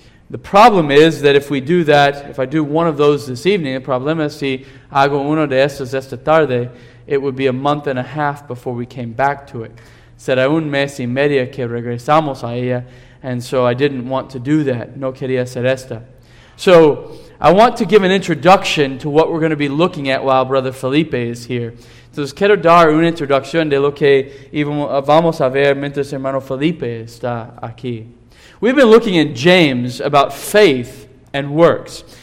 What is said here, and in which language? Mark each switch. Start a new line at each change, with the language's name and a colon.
English: The problem is that if we do that, if I do one of those this evening,
Spanish: el problema es si hago uno de estos esta tarde,
English: it would be a month and a half before we came back to it.
Spanish: Será un mes y media que regresamos a ella,
English: and so I didn't want to do that.
Spanish: No quería hacer esta.
English: So I want to give an introduction to what we're going to be looking at while Brother Felipe is here.
Spanish: Entonces quiero dar una introducción de lo que vamos a ver mientras hermano Felipe está aquí.
English: We've been looking in James about faith and works.